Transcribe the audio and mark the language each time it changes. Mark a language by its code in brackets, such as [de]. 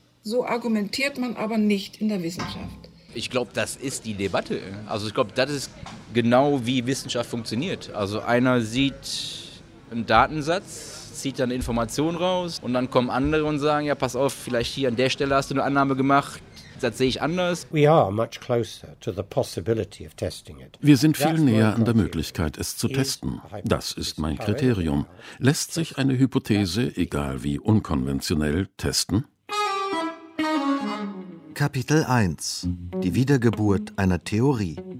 [de] So argumentiert man aber nicht in der Wissenschaft. Ich glaube, das ist die Debatte. Also ich glaube, das ist genau, wie Wissenschaft funktioniert. Also einer sieht einen Datensatz, zieht dann Informationen raus und dann kommen andere und sagen, ja, pass auf, vielleicht hier an der Stelle hast du eine Annahme gemacht, das sehe ich anders. [en] We are much closer to the possibility of testing it. [de] Wir sind viel näher an der Möglichkeit, es zu testen. Das ist mein Kriterium. Lässt sich eine Hypothese, egal wie unkonventionell, testen? Kapitel 1. Die Wiedergeburt einer Theorie.